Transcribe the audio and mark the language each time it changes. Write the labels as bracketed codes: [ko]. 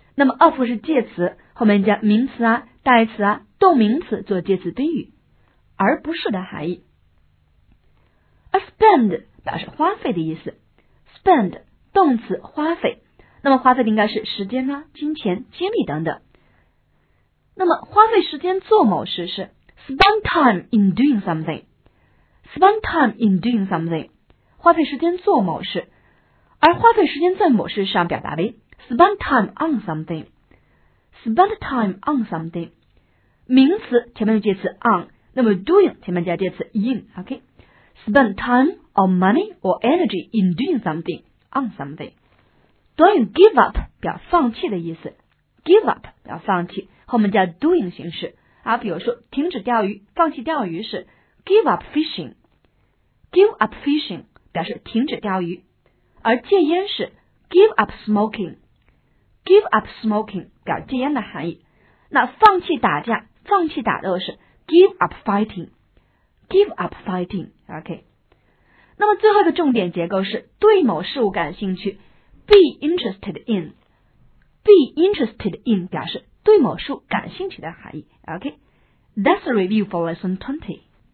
[zh] 那么 of 是介词，后面加名词啊、代词啊、动名词做介词宾语，而不是的含义。而 spend表示花费的意思， spend 动词花费，那么花费应该是时间啊、金钱、精力等等。那么花费时间做某事是 [en] spend time in doing something， spend time in doing something， [zh] 花费时间做某事。而花费时间在某事上表达为 [en] spend time on something， spend time on something， [zh] 名词前面有介词 on， 那么 doing 前面加介词 in， OK。 [en] Spend time or money or energy in doing something, on something. [zh] 短语 give up 表放弃的意思， give up 表放弃，后面加 doing 形式，啊，比如说停止钓鱼，放弃钓鱼是 [en] give up fishing。 give up fishing [zh] 表示停止钓鱼，而戒烟是 [en] give up smoking。 give up smoking [zh] 表戒烟的含义。那放弃打架，放弃打斗是 [en] give up fighting。 give up fighting OK。 [zh] 那么最后的重点结构是对某事物感兴趣， be interested in。 be interested in 表示对某事物感兴趣的含义。 [en] OK, that's a review for lesson 20.